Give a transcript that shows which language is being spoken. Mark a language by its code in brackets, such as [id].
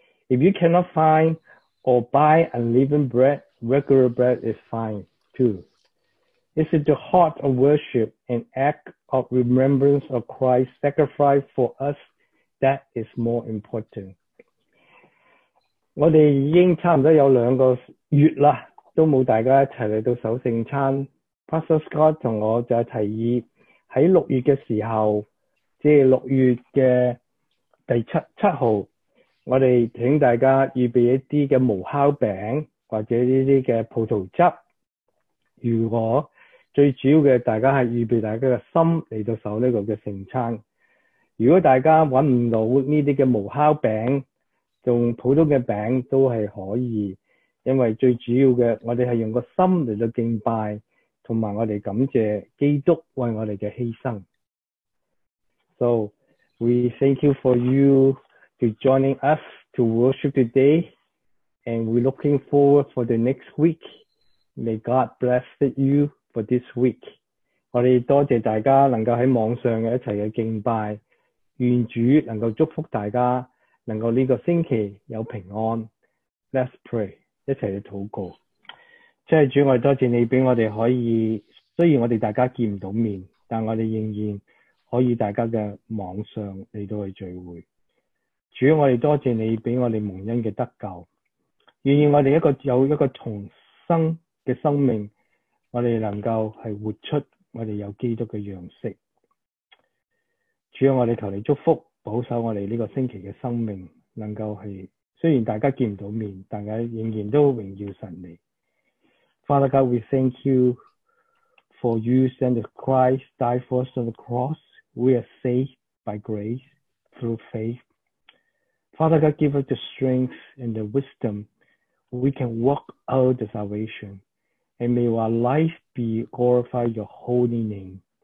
[en] If you cannot find or buy unleavened bread, regular bread is fine too. This is the heart of worship, an act of remembrance of Christ's sacrifice for us that is more important. [zh] 我们已经差不多有两个月了，都没有大家一起来到守圣餐。 Pastor Scott 和我就提议，在六月的时候，即是六月的第七号，我们请大家预备一些的无酵饼或者这些的葡萄汁，如果最主要的大家是预备大家的心来到守这个的圣餐。如果大家找不到这些的无酵饼，用普通的饼都是可以，因为最主要的我们是用个心来到敬拜，同埋我们感谢基督为我们的牺牲。 [en] So we thank you for you to joining us to worship todayAnd we're looking forward for the next week. May God bless you for this week. [zh] 我们多谢大家能够在网上一起的敬拜，愿主能够祝福大家能够这个星期有平安。 [en] Let's pray. [zh] 一起的祷告。真是主，我们多谢你给我们可以，虽然我们大家见不到面，但我们仍然可以大家的网上来到去聚会。主，我们多谢你给我们蒙恩的得救，愿意我们一个有一个重生的生命，我们能够是活出我们有基督的样式。主要我们求你祝福保守我们这个星期的生命，能够是虽然大家见不到面，但是仍然都荣耀神你。 [en] Father God, we thank you for you sent Christ die for us on the cross. We are saved by grace through faith. Father God, give us the strength and the wisdom. We can walk out the salvation, and may our life be glorified your holy name.